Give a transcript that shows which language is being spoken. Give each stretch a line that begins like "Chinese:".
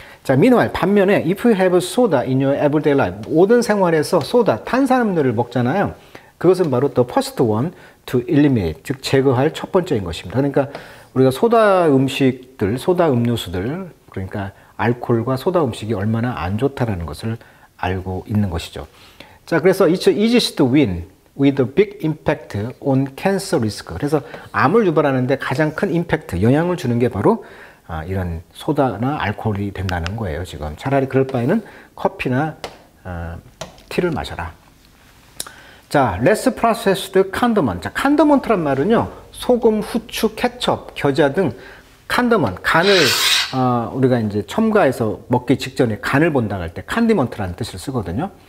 English: 자, meanwhile,
Korean: 반면에,
English: if you have soda in your everyday life,
Korean: 모든 생활에서 소다, 탄산음료를 먹잖아요. 그것은 바로
English: the first one to eliminate,
Korean: 즉, 제거할 첫 번째인 것입니다. 그러니까, 우리가 소다 음식들, 소다 음료수들, 그러니까, 알코올과 소다 음식이 얼마나 안 좋다라는 것을 알고 있는 것이죠. 자, 그래서,
English: it's easiest to win with a big impact on cancer risk.
Korean: 그래서, 암을 유발하는데 가장 큰 임팩트, 영향을 주는 게 바로, 이런 소다나 알코올이 된다는 거예요. 지금 차라리 그럴 바에는 커피나 티를 마셔라. 자,
English: less processed condiment.
Korean: 자, condiment란 말은요, 소금, 후추, 케첩, 겨자 등 condiment, 간을 우리가 이제 첨가해서 먹기 직전에 간을 본다 할 때 condiment란 뜻을 쓰거든요.